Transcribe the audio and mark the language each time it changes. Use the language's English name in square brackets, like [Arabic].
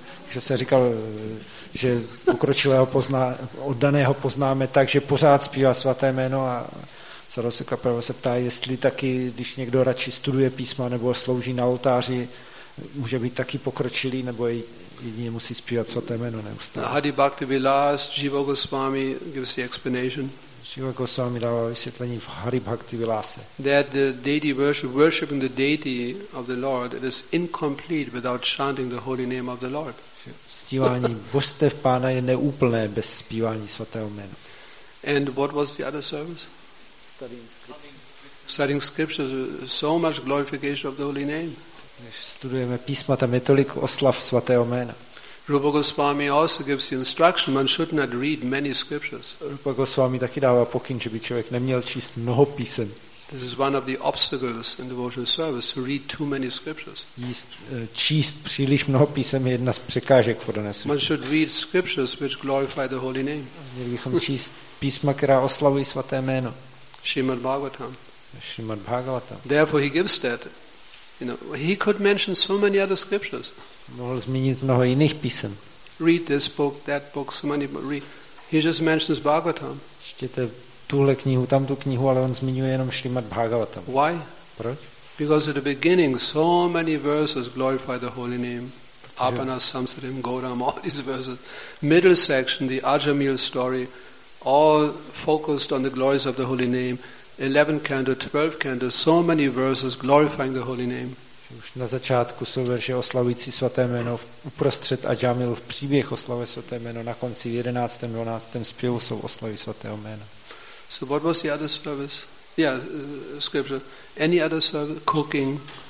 [Czech] Že jsem říkal, že pokročilého pozná, oddaného poznáme tak, že pořád zpívá svaté jméno a Sarosuka Prabhu se ptá, jestli taky, když někdo radši studuje písma nebo slouží na oltáři, může být taky pokročilý, nebo jedině musí zpívat svaté jméno neustále. [English] Hari Bhakti Vilas, Jiva Goswami gives the explanation. [Czech] Jiva Goswami dává vysvětlení v Hari Bhakti Vilase. [English] That the deity worship, worshiping the deity of the Lord, it is incomplete without chanting the holy name of the Lord. [Czech] Zpívání božstev pána je neúplné bez zpívání svatého jména. [English] And what was the other service? Studying scriptures, so much glorification of the holy name. [Czech] Studujeme písma, tam je tolik oslav svatého jména. [English] Rupa Goswami also gives the instruction one should not read many scriptures. [Czech] Rupa Goswami taky dává pokyn, že by člověk neměl číst mnoho písem. [English] This is one of the obstacles in devotional service to read too many scriptures. [Czech] Číst příliš mnoho písem je jedna z překážek v oddané službě. [English] One should read scriptures which glorify the holy name. [Czech] Měli bychom číst písma, která oslavují svaté jméno. [English] Srimad Bhagavatam. [Czech] Srimad Bhagavatam. [English] Therefore he gives that. You know, he could mention so many other scriptures. [Czech] Mohl zmínit mnoho jiných písem. [English] Read this book, that book, so many. He just mentions Bhagavatam. [Czech] Čtěte tuhle knihu, tam tu knihu, ale on zmiňuje jenom Srimad Bhagavatam. [English] Why? [Czech] Proč? [English] Because at the beginning so many verses glorify the holy name. Apana, Samsarim, Gauram, all these verses. Middle section, the Ajamil story, all focused on the glories of the holy name. 11 canto, 12 canto, so many verses glorifying the holy name. [Czech] Už na začátku jsou verše oslavující svaté jméno, uprostřed Ajamil v příběh oslavuje svaté jméno, na konci v 11. 12. zpěvu jsou oslavy svatého jména. [English] So what was the other service? Yeah, scripture. Any other service? Cooking.